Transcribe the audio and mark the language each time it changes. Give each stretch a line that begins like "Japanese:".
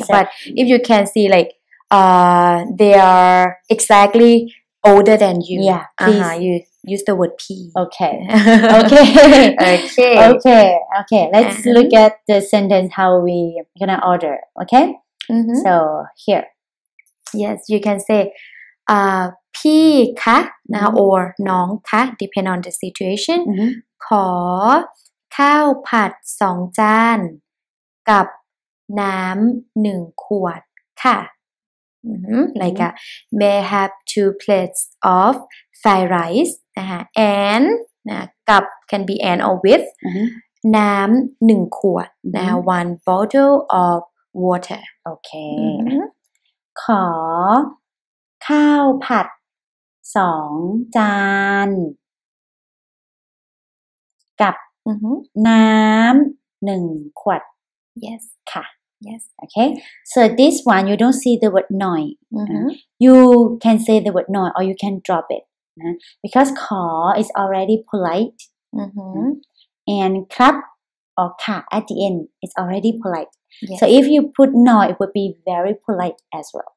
English: So but if you can see like they are exactly older than you. Yeah. Please. You use the word pee. Okay. Okay. Okay. Let's look at the sentence how we gonna order. Okay. So here. Yes. You can say,
Thai: พี่คะนะ
English: or
Thai: น้องคะ
English: depend on the situation
Thai: ขอข้าวผัด2จานกับน้ำ1ขวดค่ะ
English: like may have two plates of fried rice
Thai: นะฮะ
English: and
Thai: นะกับ
English: can be and or with
Thai: น้ำ1ขวดนะ
English: one bottle of water
Thai: โอเคขอข้าวผัด2จานกับน้ำ1ขวด
English: yes
Thai: ค่ะ
English: Yes. Okay. So this one, you don't see the word noi. You can say the word noi or you can drop it. Because ขอ is already polite. And ครับ or ค่ะ at the end is already polite. Yes. So if you put noi, it would be very polite as well.